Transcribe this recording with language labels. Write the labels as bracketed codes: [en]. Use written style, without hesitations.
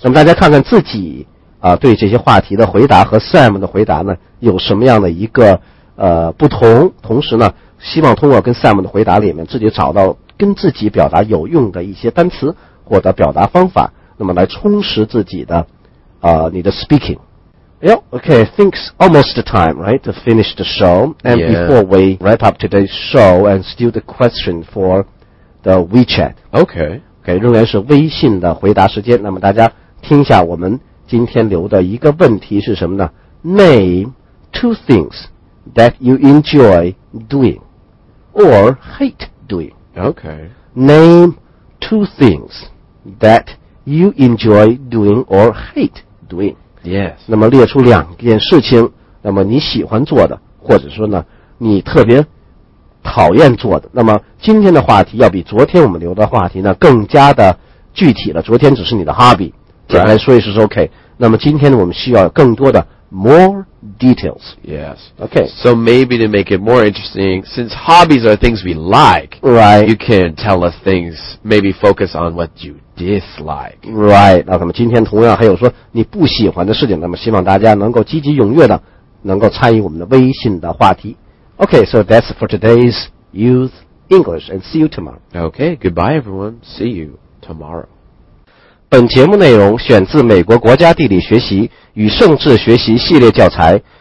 [zh] 那么大家看看自己对这些话题的回答和 Sam 的回答呢有什么样的一个不同，同时呢希望通过跟 Sam 的回答里面自己找到跟自己表达有用的一些单词或者表达方法，那么来充实自己的你的 speaking. [en] Yeah, okay, I think it's almost the time, right, to finish the show. And yeah. Before we wrap up today's show, and still the question for the WeChat. Okay. [zh] Okay, 仍然是微信的回答时间。那么大家听一下我们今天留的一个问题是什么呢？ [en] Name two things that you enjoy doing or hate doing. Okay. Name two things that you enjoy doing or hate doing. Yes. [zh] 那么列出两件事情，那么你喜欢做的，或者说呢，你特别讨厌做的。那么今天的话题要比昨天我们留的话题呢更加的具体了。昨天只是你的 hobby， 简单说一说是 OK。那么今天呢，我们需要更多的 [en] more details. Yes. Okay. So maybe to make it more interesting, since hobbies are things we like, right? You can tell us things. Maybe focus on what you dislike. Right. [zh] 那么今天同样还有说你不喜欢的事情，那么希望大家能够积极踊跃的能够参与我们的微信的话题。 [en] Okay, so that's for today's Youth English, and see you tomorrow. Okay, goodbye everyone. See you tomorrow. [zh] 本节目内容选自美国国家地理学习与政治学习系列教材。